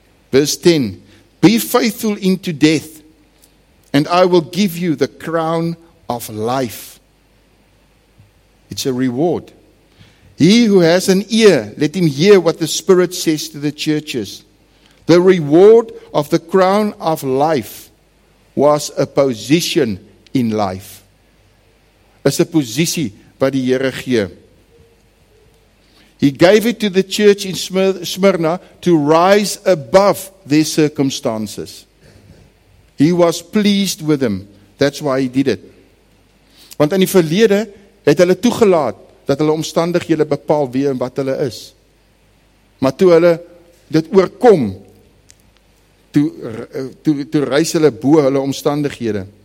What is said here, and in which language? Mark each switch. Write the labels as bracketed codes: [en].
[en] Verse 10, be faithful into death, and I will give you the crown of life. It's a reward. He who has an ear, let him hear what the Spirit says to the churches. The reward of the crown of life was a position in life. [af] Is 'n posisie wat die Here gee. [en] He gave it to the church in Smyrna to rise above their circumstances. He was pleased with them. That's why he did it. [af] Want in die verlede het hulle toegelaat dat hulle omstandighede bepaal wie en wat hulle is. Maar toe hulle dit oorkom, toe reis hulle bo hulle omstandighede.